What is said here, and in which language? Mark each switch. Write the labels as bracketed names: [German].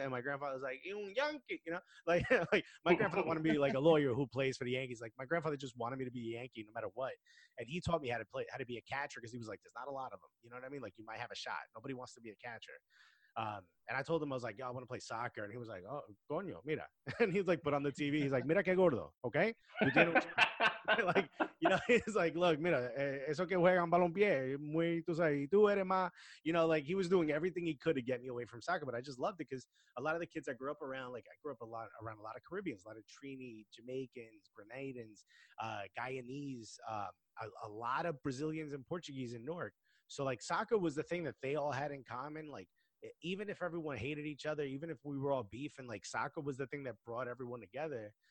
[English] And my grandfather was like, un Yankee. You know, like my grandfather wanted to be like a lawyer who plays for the Yankees. Like my grandfather just wanted me to be a Yankee no matter what. And he taught me how to play, how to be a catcher. Cause he was like, there's not a lot of them. You know what I mean? Like you might have a shot. Nobody wants to be a catcher. And I told him, I was like, yo, I want to play soccer. And he was like, [Spanish] oh, coño, mira. [English] And he's like, put on the TV. He's like, [Spanish] mira que gordo. [English] Okay. Like, you know, he's like, look, [Spanish] mira, eso que juegan balompié, muy, tú sabes, tú eres más. [English] You know, like he was doing everything he could to get me away from soccer. But I just loved it because a lot of the kids I grew up around, like I grew up around a lot of Caribbeans, a lot of Trini, Jamaicans, Grenadians, Guyanese, a lot of Brazilians and Portuguese in Newark. So like soccer was the thing that they all had in common. Like, even if everyone hated each other, even if we were all beef, and like soccer was the thing that brought everyone together.